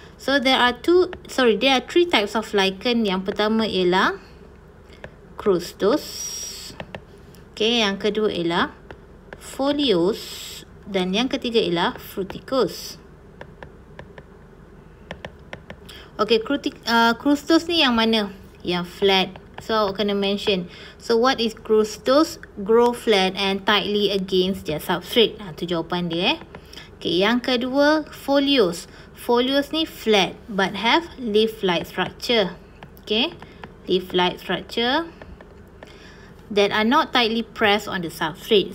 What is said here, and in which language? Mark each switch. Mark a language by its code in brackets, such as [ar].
[en] So there are three types of lichen. [ms] Yang pertama ialah crustos. Okay, yang kedua ialah folios dan yang ketiga ialah fruticos. Okay, crustos ni yang mana? Yang flat. So awak kena mention. [en] So what is crustos? Grow flat and tightly against their substrate. [ms] Ha, tu jawapan dia eh. Okay, yang kedua folios. Folios ni [en] flat but have leaf-like structure. Okay, leaf-like structure that are not tightly pressed on the substrate.